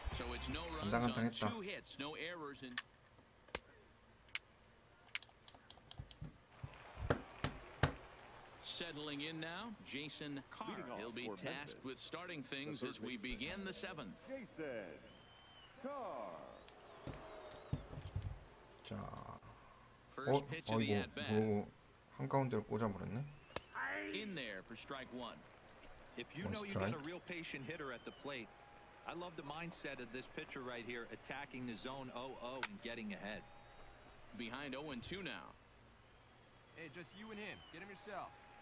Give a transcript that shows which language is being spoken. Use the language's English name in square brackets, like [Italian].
[English] So it's no runs on two hits, no errors in. Settling in now, Jason Carr. He'll be tasked with starting things as we begin the seventh. Jason Carr. [Korean] 자, 어, 어 이거 뭐 한 가운데로 꽂아버렸네. [English] In there for strike one. If you know you've got a real patient hitter at the plate, I love the mindset of this pitcher right here, attacking the zone 0-0 and getting ahead. Behind 0-2 now. Hey, just you and him. Get him yourself.